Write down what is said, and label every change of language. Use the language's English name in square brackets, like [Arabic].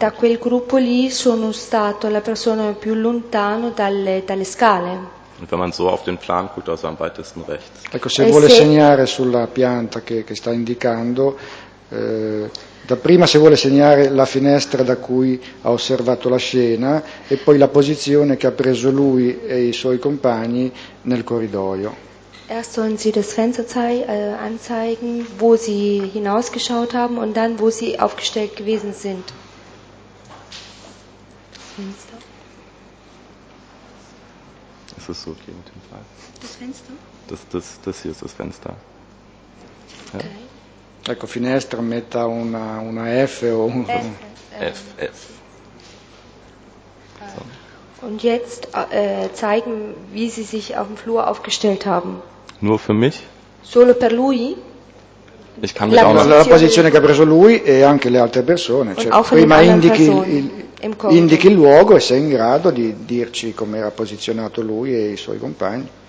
[Italian] Da quel gruppo lì sono stato la persona più lontano dalle scale. [German] Und wenn man so auf den Plan guckt, also am weitesten rechts. [Italian] Ecco, se vuole segnare sulla pianta che sta indicando, da prima se vuole segnare la finestra da cui ha osservato la scena e poi la posizione che ha preso lui e i suoi compagni nel corridoio. [German] Erst sollen Sie das Fenster anzeigen, wo Sie hinausgeschaut haben und dann, wo Sie aufgestellt gewesen sind. Das Fenster. Ist das so okay mit dem Fall? Das Fenster? Das hier ist das Fenster. Ja. Okay. [Italian] Ecco, finestra metta una F o un F. [German] So. Und jetzt zeigen, wie Sie sich auf dem Flur aufgestellt haben. Nur für mich? [Italian] Solo per lui? [German] Ich kann mich auch noch... [Italian] La posizione che ha preso lui e anche le altre persone. Cioè, prima indichi il luogo e sei in grado di dirci come era posizionato lui e i suoi compagni.